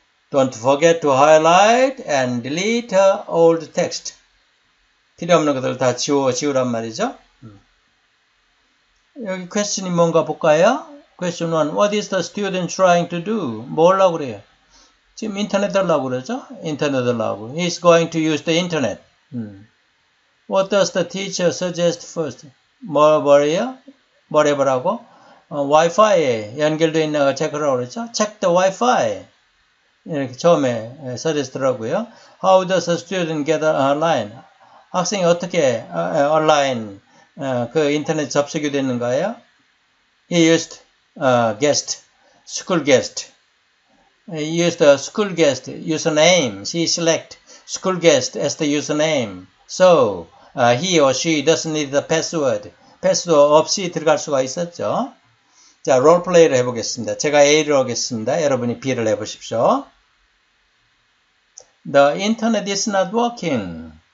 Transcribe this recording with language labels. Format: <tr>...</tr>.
<en>Don't forget to highlight and delete old text.</en> <ko>필요없는 것들 다 지우란 말이죠. 여기 퀘스천이 뭔가 볼까요?</ko> <en>Question 1. What is the student trying to do?</en> <ko>뭐 하려고 그래요? 지금 인터넷 하려고 그러죠? 인터넷 하려고.</ko> <en>He is going to use the internet. What does the teacher suggest first?</en> <ko>뭐래요? 뭐래 보라고? Wi-Fi에 연결되어 있는 거 체크하라고 그랬죠?</ko> <en>Check the Wi-Fi.</en> <ko>이렇게 처음에 suggest더라고요.</ko> <en>How does a student get online?</en> <ko>학생이 어떻게 online, 그 인터넷 접속이 됐는가요?</ko> <en>He used guest, school guest. He used the school guest username. She select school guest as the username. So, he or she doesn't need the password.</en> <ko>패스워드 없이 들어갈 수가 있었죠. 자, 롤플레이를 해보겠습니다. 제가 A를 하겠습니다. 여러분이 B를 해보십시오.</ko> <en>The internet is not working.</en>